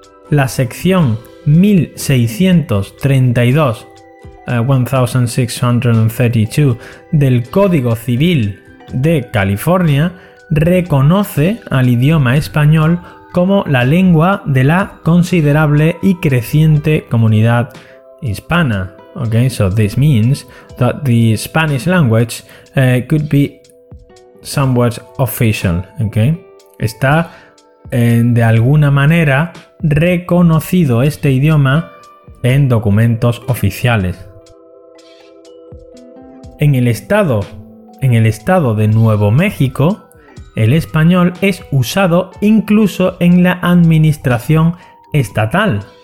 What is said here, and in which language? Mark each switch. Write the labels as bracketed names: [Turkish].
[Spanish] La sección 1632, 1632 del Código Civil de California reconoce al idioma español como la lengua de la considerable y creciente comunidad hispana. [English] Okay, so this means that the Spanish language could be somewhat official. Okay, está [Spanish] de alguna manera reconocido este idioma en documentos oficiales. En el estado de Nuevo México, el español es usado incluso en la administración estatal.